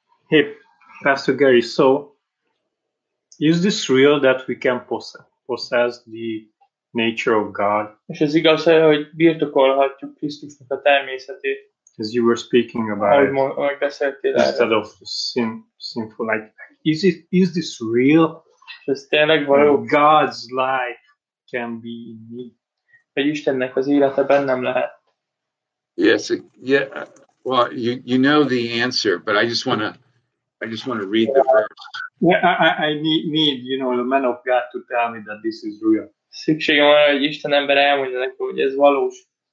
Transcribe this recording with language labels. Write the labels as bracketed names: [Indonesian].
[English] Hey, Pastor Gary, so is this real that we can possess the nature of God? [Hungarian] És ez igaz, hogy birtokolhatjuk Krisztusnak a természetét. [English] As you were speaking about instead of sinful, like, is this real? [Hungarian] És ez tényleg való. [English] God's life can be in me. [Hungarian] Hogy Istennek az élete bennem lehet. [English] Yes, well, you know the answer, but I just want to read the verse. Yeah, I need, you know, the man of God to tell me that this is real. [Hungarian] Szükségem van, hogy Isten ember elmondja nekem, hogy ez valós.